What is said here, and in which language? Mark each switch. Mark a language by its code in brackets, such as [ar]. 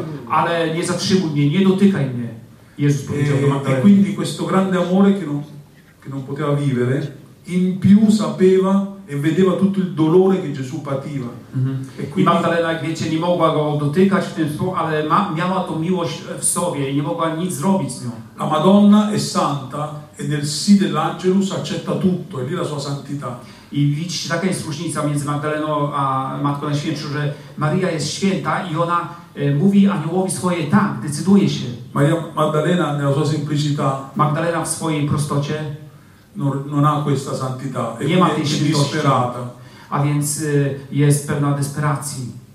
[pl] Ale nie zatrzymuj mnie, nie dotykaj mnie. Jezus powiedział do Magdaleny. [it] E quindi questo grande amore che non poteva vivere, in più sapeva e vedeva tutto il dolore che Gesù pativa. Mm-hmm. E quindi [pl] Magdalena, jak wiecie, nie mogła go dotykać w tym słowie, ale miała tą miłość w sobie i nie mogła nic zrobić z nią. [it] La Madonna è santa e nel sì dell'Angelus accetta tutto, è lì la sua santità. [pl] I widzicie, taka jest różnica między Magdaleną a Matką Najświętszą, że Maria jest święta i ona mówi aniołowi swoje tak, decyduje się. [it] Maria Magdalena nella sua semplicità. [pl] Magdalena w swojej prostocie [it] non ha questa santità. [pl] Nie ma tej świętości. A więc jest pewna desperacji.